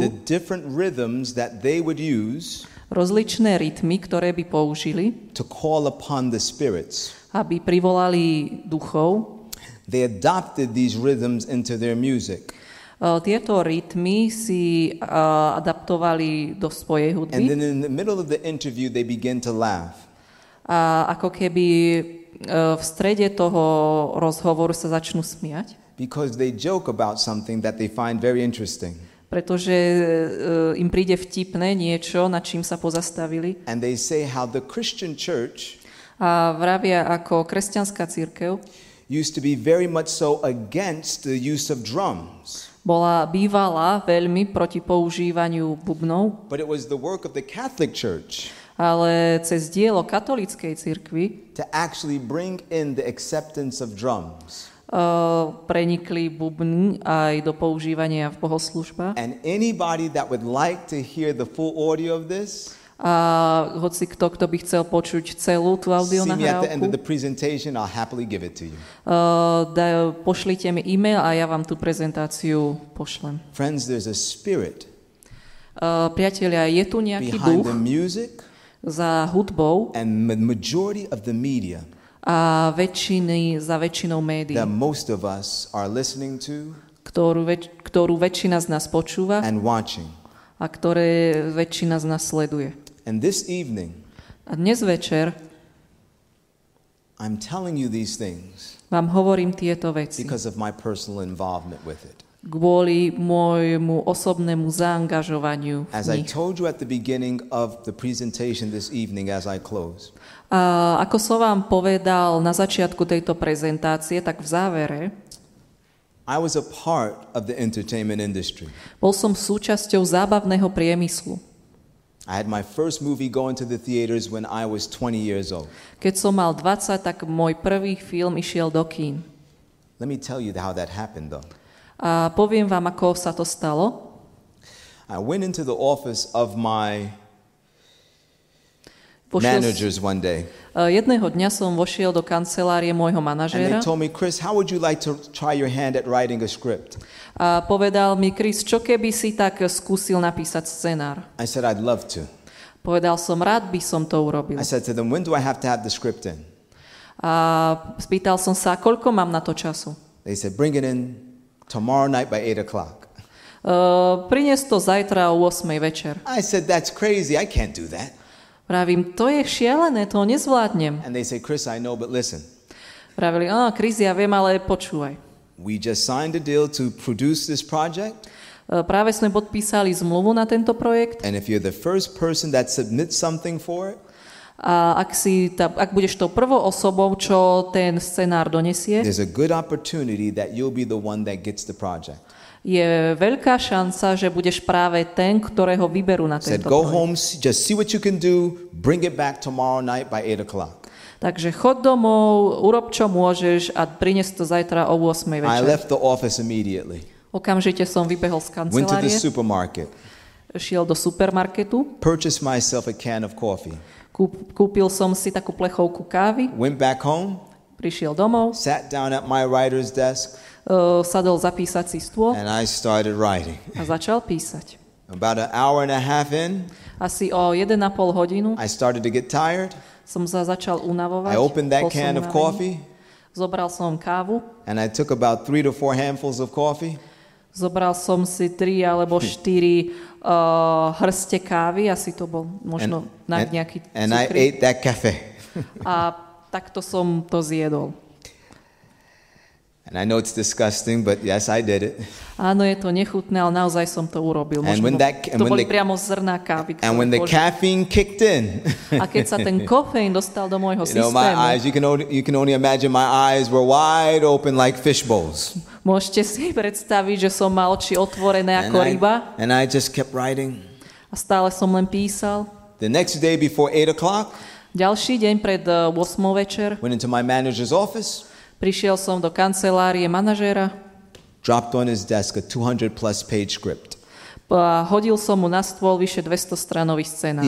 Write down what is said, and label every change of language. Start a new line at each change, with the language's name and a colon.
English: the different rhythms that they would use,
Slovak: rozličné rytmy, ktoré by použili,
English: to call upon the spirits,
Slovak: aby privolali duchov.
English: They adopted these rhythms into their music.
Slovak: Tieto rytmy si adaptovali do svojej hudby.
English: And then in the middle of the interview they begin to laugh.
Slovak: A ako keby v strede toho rozhovoru sa začnú smiať.
English: Because they joke about something that they find very interesting.
Slovak: pretože im príde vtipné niečo, nad čím sa pozastavili.
English: And they say how the Christian church,
Slovak: a vravia ako kresťanská cirkev,
English: used to be very much so against the use of drums.
Slovak: Bola bývala veľmi proti používaniu bubnov.
English: But it was the work of the Catholic Church.
Slovak: Ale cez dielo katolíckej cirkvi
English: to actually bring in the acceptance of drums.
Slovak: Prenikli bubny aj do používania v bohoslužbách.
English: And anybody that would like to hear the full audio of this,
Slovak: a hoci kto by chcel počuť celú tú audio nahrávku,
English: see me at the end of the presentation, I'll happily give it to you.
Slovak: Pošlite mi e-mail a ja vám tú prezentáciu pošlem.
English: Friends, there's a spirit.
Slovak: Priatelia, je tu nejaký
English: behind
Slovak: duch
English: the music,
Slovak: za hudbou
English: and majority of the media,
Slovak: a za väčšinou médií,
English: that most of us are listening to,
Slovak: ktorú väčšina z nás počúva
English: and watching,
Slovak: a ktoré väčšina z nás sleduje.
English: And this evening,
Slovak: a dnes večer,
English: I'm telling you these things,
Slovak: vám hovorím tieto veci,
English: because of my personal involvement with it.
Slovak: Kvôli môjmu osobnému zaangažovaniu v nich.
English: As I told you at the beginning of the presentation this evening, as I close.
Slovak: A ako som vám povedal na začiatku tejto prezentácie, tak v závere,
English: I was a part of the entertainment industry.
Slovak: Bol som súčasťou zábavného priemyslu.
English: I had my first movie going to the theaters when I was 20 years old.
Slovak: Keď som mal 20, tak môj prvý film išiel do kín.
English: Let me tell you how that happened though.
Slovak: A poviem vám, ako sa to stalo.
English: I went into the office of my managers one day.
Slovak: Jedného dňa som vošiel do kancelárie môjho manažéra.
English: And they told me, Chris, how would you like to try your hand at writing a script?
Slovak: A povedal mi, Chris, čo keby si tak skúsil napísať scenár?
English: I said, I'd love to.
Slovak: Povedal som, rád by som to urobil.
English: I said to them, when do I have to have the script in?
Slovak: A spýtal som sa, koľko mám na to času?
English: They said, bring it in tomorrow night by 8 o'clock.
Slovak: Prinies to zajtra o 8. večer.
English: I said, that's crazy, I can't do that.
Slovak: Pravím, to je šialené, to nezvládnem.
English: And they say, Chris, I know, but listen.
Slovak: Pravili, áno, Chris, ja viem, ale počúvaj.
English: We just signed a deal to produce this project.
Slovak: Práve sme podpísali zmluvu na tento projekt.
English: And if you're the first person that submits something for it,
Slovak: a ak budeš tou prvou osobou, čo ten scenár donesie,
English: there's a good opportunity that you'll be the one that gets the project.
Slovak: Je veľká šanca, že budeš práve ten, ktorého vyberú na tento
English: Said, go home, just see what you can do, bring it back tomorrow night by 8 o'clock.
Slovak: Takže chod domov, urob čo môžeš a prinies to zajtra o 8 večer.
English: I left the office immediately.
Slovak: Okamžite som vybehol z kancelárie.
English: Went to the supermarket.
Slovak: Šiel do supermarketu.
English: Purchased myself a can of coffee.
Slovak: Kúpil som si takú plechovku kávy.
English: Went back home.
Slovak: Prišiel domov.
English: Sat down at my writer's desk.
Slovak: Sadol za písací stôl.
English: And I started writing.
Slovak: A začal písať.
English: About an hour and a half in.
Slovak: Asi o 1,5 hodinu.
English: I started to get tired.
Slovak: Som sa začal unavovať.
English: I opened that can of coffee.
Slovak: Zobral som kávu.
English: And I took about 3 to 4 handfuls of coffee.
Slovak: Zobral som si 3 alebo 4 hrste kávy, asi to bol možno na nejaký cukrík.
English: And I ate that cafe.
Slovak: A takto som to zjedol.
English: And I know it's disgusting, but yes, I did it.
Slovak: Áno, je to nechutné, ale naozaj som to urobil. Možno, to boli priamo zrná kávy.
English: And when the caffeine kicked in.
Slovak: A keď sa ten kofeín dostal do môjho systému.
English: You know, my eyes, you can only imagine my eyes were wide open like fish bowls.
Slovak: Môžete si predstaviť, že som mal oči otvorené ako ryba.
English: And I just kept writing.
Slovak: A stále som len písal.
English: The next day before 8 o'clock.
Slovak: Ďalší deň pred 8 večer.
English: Went into my manager's office.
Slovak: Prišiel som do kancelárie manažéra.
English: Dropped on his desk a 200 plus page script.
Slovak: Hodil som mu na stôl vyše 200 stranový scenár.